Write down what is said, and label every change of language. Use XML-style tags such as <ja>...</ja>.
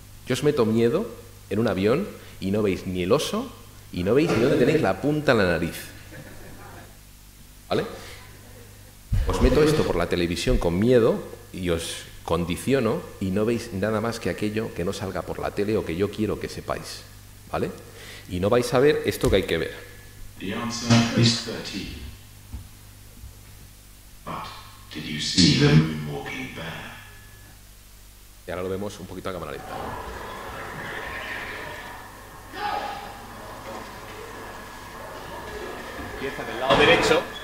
<es>Yo os meto miedo en un avión y no veis ni el oso y no veis ni dónde tenéis la punta en la nariz. ¿Vale? Os meto esto por la televisión con miedo y os condiciono y no veis nada más que aquello que no salga por la tele o que yo quiero que sepáis. ¿Vale? Y no vais a ver esto que hay que ver.</es> <en>The answer is 13. But did you see the moon walking bare?</en> <es>Y ahora lo vemos un poquito a cámara lenta. Empieza del lado derecho.</es>